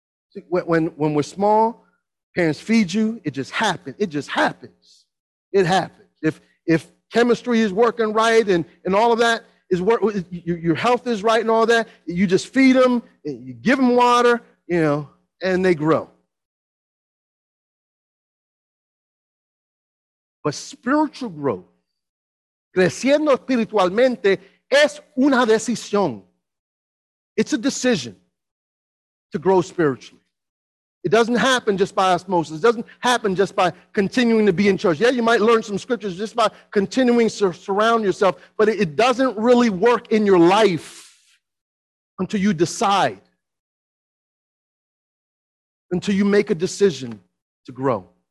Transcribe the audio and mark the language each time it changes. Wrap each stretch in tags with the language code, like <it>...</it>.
<en>See, when we're small, parents feed you, it just happens. It just happens. It happens. If chemistry is working right and all of that is work, your health is right and all that, you just feed them, you give them water, you know, and they grow. But spiritual growth,</en> <es>creciendo espiritualmente, es una decisión.</es> <en>It's a decision to grow spiritually. It doesn't happen just by osmosis. It doesn't happen just by continuing to be in church. Yeah, you might learn some scriptures just by continuing to surround yourself, but it doesn't really work in your life until you decide, until you make a decision to grow.</en>